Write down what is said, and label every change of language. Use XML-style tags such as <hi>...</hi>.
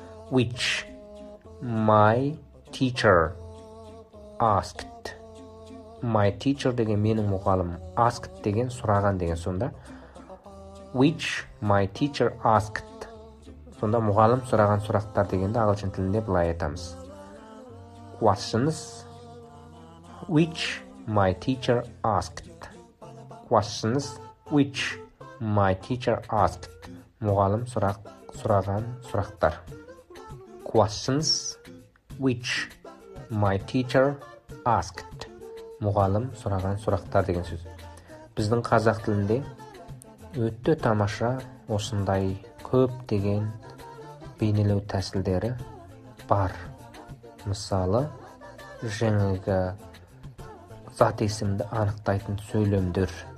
<en>Which my teacher asked. My teacher</en> <kk>деген менің мұғалым.</kk> <en>Asked</en> <kk>деген сұраған деген сонда.</kk> <en>Which my teacher asked.</en> <kk>Сонда мұғалым сұраған сұрақтар дегенде ағылшын тілінде былай айтамыз.</kk> <en>Questions which my teacher asked. Questions which my teacher asked.</en> <kk>Мұғалым сұраған сұрақтар.</kk> <en>Questions which my teacher asked.</en> <kk>Мұғалым сұраған сұрақтар деген сөз. Біздің қазақ тілінде өте тамаша осындай көп деген бейнелеу тәсілдері бар. Мысалы, жаңағы зат есімді анықтайтын сөйлемдер.</kk>